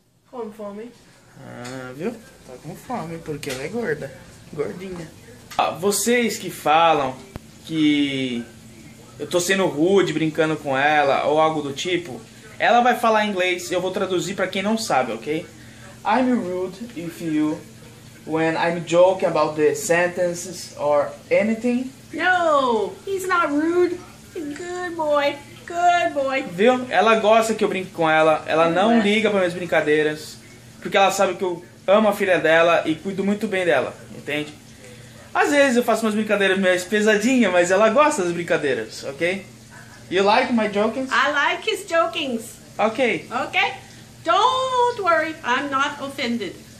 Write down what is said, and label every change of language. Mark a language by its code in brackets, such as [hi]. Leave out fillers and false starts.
[pt] Com fome. Ah, viu? Tá com fome, porque ela é gorda. Gordinha. Ah, vocês que falam que eu tô sendo rude, brincando com ela, ou algo do tipo, ela vai falar inglês, eu vou traduzir pra quem não sabe, ok? [en] I'm rude if you, when I'm joking about the sentences or anything. No, he's not rude. Good boy, good boy. [pt] Viu? Ela gosta que eu brinque com ela, ela não liga pra minhas brincadeiras. Porque ela sabe que eu amo a filha dela e cuido muito bem dela, entende? Às vezes eu faço umas brincadeiras meio pesadinhas, mas ela gosta das brincadeiras, ok? [en] You like my jokings? I like his jokings. Ok. Ok? Don't worry, I'm not offended.